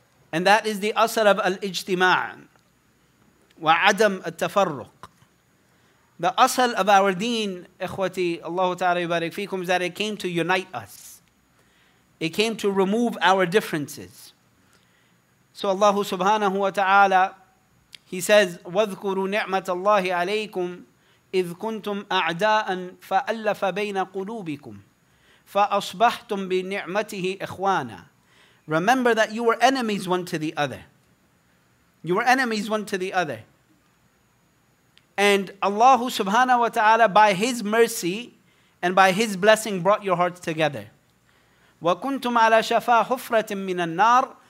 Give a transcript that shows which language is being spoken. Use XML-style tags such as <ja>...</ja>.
<en>And that is the asal of al-ijtima' wa adam al-tafarruq. The asal of our deen, ikhwati, Allahu ta'ala yubarik fikum, is that it came to unite us. It came to remove our differences. So Allah subhanahu wa ta'ala, He says,</en> <ar>وَذْكُرُوا نِعْمَةَ اللَّهِ عَلَيْكُمْ إِذْ كُنْتُمْ أَعْدَاءً فَأَلَّفَ بَيْنَ قُلُوبِكُمْ فَأَصْبَحْتُمْ بِنِعْمَتِهِ إِخْوَانًا.</ar> <en>Remember that you were enemies one to the other. You were enemies one to the other. And Allah subhanahu wa ta'ala, by His mercy and by His blessing, brought your hearts together.</en> <ar>وَكُنْتُمْ عَلَى شَفَا حُفْرَةٍ مِّنَ النَّارِ</ar>